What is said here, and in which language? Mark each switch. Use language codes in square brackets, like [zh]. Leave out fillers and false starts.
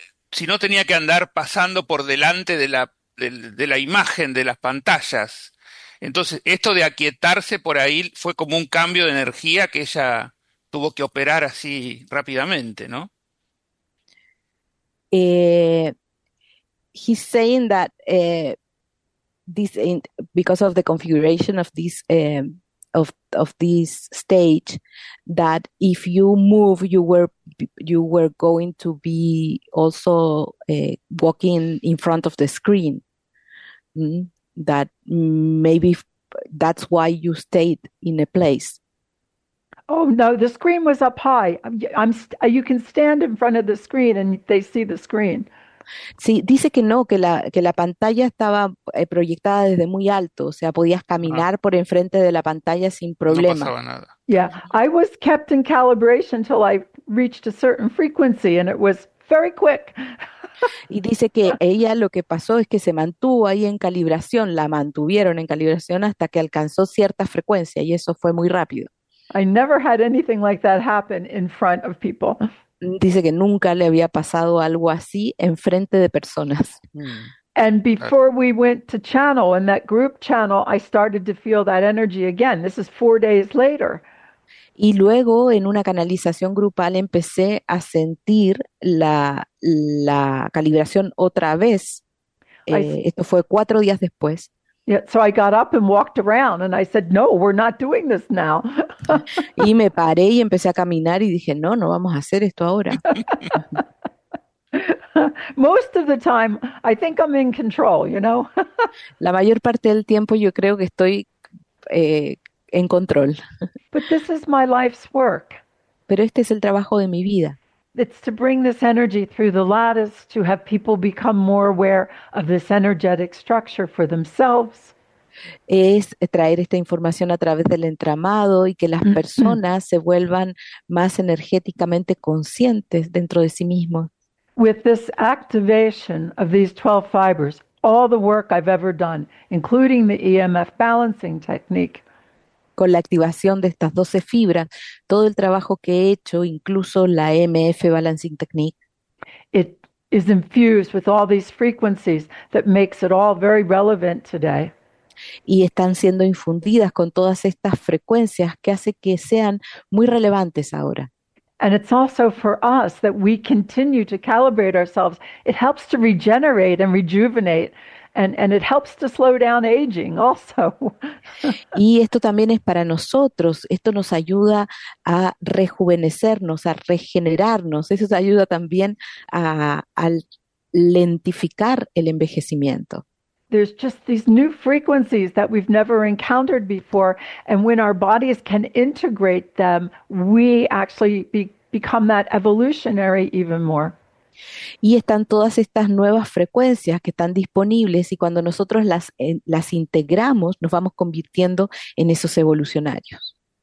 [es] Si no tenía que andar pasando por delante de la imagen, de las pantallas. Entonces, esto de aquietarse por ahí fue como un cambio de energía que ella tuvo que operar así rápidamente, ¿no? [en] he's saying that this in, because of the configuration of this of this stage, that if you move, you were going to be also walking in front of the screen. Mm-hmm. That maybe that's why you stayed in a place. Oh no, the screen was up high. You can stand in front of the screen and they see the screen. [es] Sí, dice que no, que la pantalla estaba proyectada desde muy alto, o sea, podías caminar por enfrente de la pantalla sin problema. No pasaba nada. [en] Yeah, I was kept in calibration till I reached a certain frequency and it was very quick. [es] Y dice que ella lo que pasó es que se mantuvo ahí en calibración, la mantuvieron en calibración hasta que alcanzó cierta frecuencia y eso fue muy rápido. [en] I never had anything like that happen in front of people. [es] Dice que nunca le había pasado algo así en frente de personas. [en] And before we went to channel in that group channel, I started to feel that energy again. This is 4 days later. [es] Y luego en una canalización grupal empecé a sentir la calibración otra vez. Esto fue 4 días después. [en] Yeah, so I got up and walked around and I said, no, we're not doing this now. [es] Y me paré y empecé a caminar y dije, no, no vamos a hacer esto ahora. [en] Most of the time, I think I'm in control, you know. [es] La mayor parte del tiempo yo creo que estoy en control. [en] But this is my life's work. [es] Pero este es el trabajo de mi vida. [en] It's to bring this energy through the lattice to have people become more aware of this energetic structure for themselves. [es] Es traer esta información a través del entramado y que las personas se vuelvan más energéticamente conscientes dentro de sí mismos. [en] With this activation of these 12 fibers, all the work I've ever done, including the EMF balancing technique, [es] con la activación de estas 12 fibras, todo el trabajo que he hecho, incluso la EMF Balancing Technique, [en] it is infused with all these frequencies that makes it all very relevant today. [es] Y están siendo infundidas con todas estas frecuencias que hace que sean muy relevantes ahora. [en] And it's also for us that we continue to calibrate ourselves. It helps to regenerate and rejuvenate. And it helps to slow down aging also. [es] Y esto también es para nosotros. Esto nos ayuda a rejuvenecernos, a regenerarnos. Eso ayuda también a lentificar el envejecimiento. [en] There's just these new frequencies that we've never encountered before. And when our bodies can integrate them, we actually become that evolutionary even more. [es] Y están todas estas nuevas frecuencias que están disponibles y cuando nosotros las integramos, nos vamos convirtiendo en esos evolucionarios.